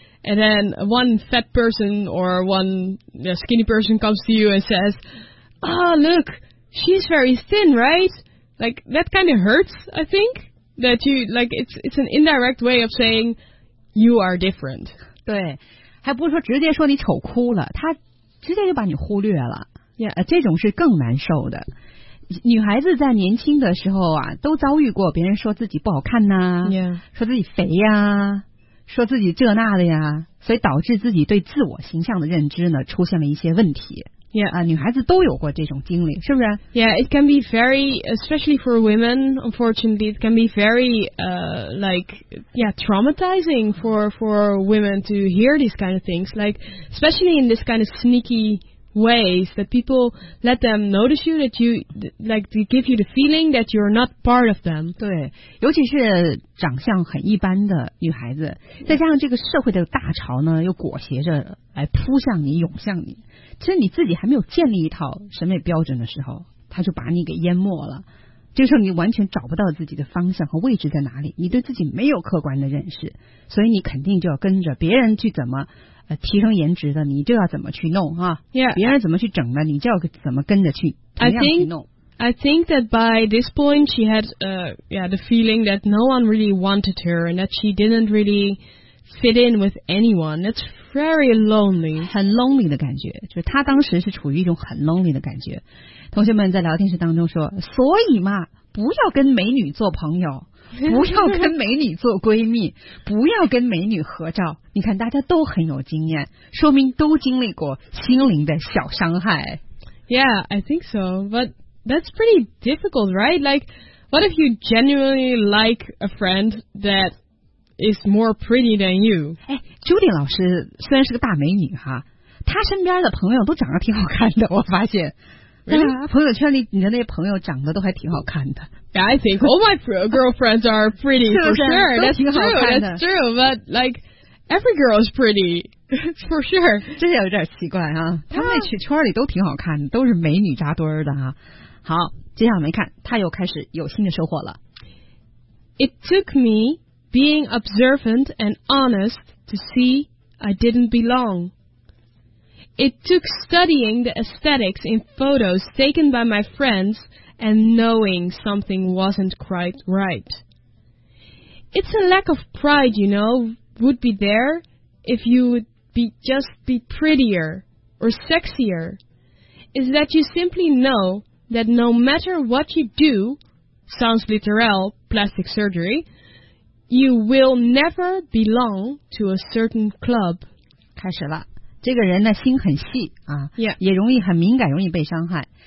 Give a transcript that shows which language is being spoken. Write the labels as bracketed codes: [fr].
[en] And then one fat person or one skinny person comes to you and says, Oh, look, she's very thin, right? Like, that kind of hurts, I think. That you, like, it's an indirect way of saying you are different. [zh] 对。还不是说直接说你丑哭了，他直接就把你忽略了。 Yeah. 这种是更难受的。女孩子在年轻的时候啊，都遭遇过别人说自己不好看呐、 [en] yeah. [zh] 说自己肥呀、说自己这那的呀，所以导致自己对自我形象的认知呢出现了一些问题。 [en] Yeah. [zh] 女孩子都有过这种经历，是不是？ [en] Yeah, it can be very, especially for women, unfortunately, it can be very, traumatizing for women to hear these kind of things, like, especially in this kind of sneaky ways that people let them notice you, that you, like, to give you the feeling that you're not part of them. [zh] 对，尤其是长相很一般的女孩子，再加上这个社会的大潮呢，又裹挟着来扑向你，涌向你。其实你自己还没有建立一套审美标准的时候，他就把你给淹没了。这个时候你完全找不到自己的方向和位置在哪里，你对自己没有客观的认识，所以你肯定就要跟着别人去怎么提升颜值的，你就要怎么去弄哈。 [en] Yeah. [zh] 别人怎么去整的，你就要怎么跟着去，同样去弄。 [en] I think that by this point she had the feeling that no one really wanted her and that she didn't really fit in with anyone. That's very lonely. [zh] 很 lonely 的感觉，就是他当时是处于一种很 lonely 的感觉。同学们在聊天室当中说，所以嘛，不要跟美女做朋友，不要跟美女做闺蜜，不要跟美女合照。你看大家都很有经验，说明都经历过心灵的小伤害。 [en] Yeah, I think so. But that's pretty difficult, right? Like, what if you genuinely like a friend that is more pretty than you. [zh] 哎 ,Judy 老师虽然是个大美女哈，她身边的朋友都长得挺好看的，我发现。 [en] Really? [zh] 朋友圈里你的那些朋友长得都还挺好看的。 [en] Yeah, I think all my girlfriends are pretty, for sure. That's true, that's true. But like, every girl is pretty, for sure. [zh] 真是有点奇怪啊，他们那圈里都挺好看的，都是美女扎堆的啊。好，接下来我们看，她又开始有新的收获了。 [en] It took me... Being observant and honest to see I didn't belong. It took studying the aesthetics in photos taken by my friends and knowing something wasn't quite right. It's a lack of pride, you know, would be there if you would be just be prettier or sexier. Is that you simply know that no matter what you do, sounds literal, plastic surgery,You will never belong to a certain club. [zh] 开始了，这个人呢心很细啊、 [en] yeah. [zh] 也容易很敏感，容易被伤害。